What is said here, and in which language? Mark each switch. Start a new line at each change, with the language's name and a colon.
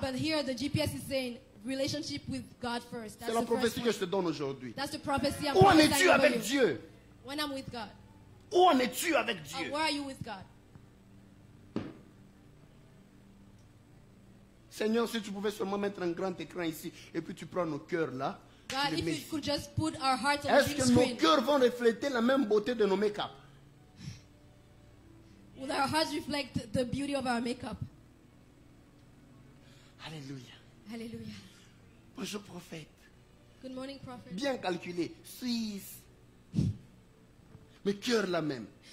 English: But here the GPS is saying relationship with God first.
French: C'est la prophétie que je te donne aujourd'hui.
English: That's the prophecy.
French: Où en es-tu avec Dieu?
English: When I'm with God.
French: Où en es-tu avec Dieu?
English: Where are you with God?
French: Seigneur, si tu pouvais seulement mettre un grand écran ici et puis tu prends nos cœurs là.
English: God, if you could just put our hearts on the big screen.
French: Est-ce que nos cœurs vont refléter la même beauté de nos make-up?
English: Will our hearts reflect the beauty of our make-up?
French: Alléluia. Alléluia. Bonjour prophète.
English: Good morning prophet.
French: Bien calculé, Suisse. Mais cœur la même.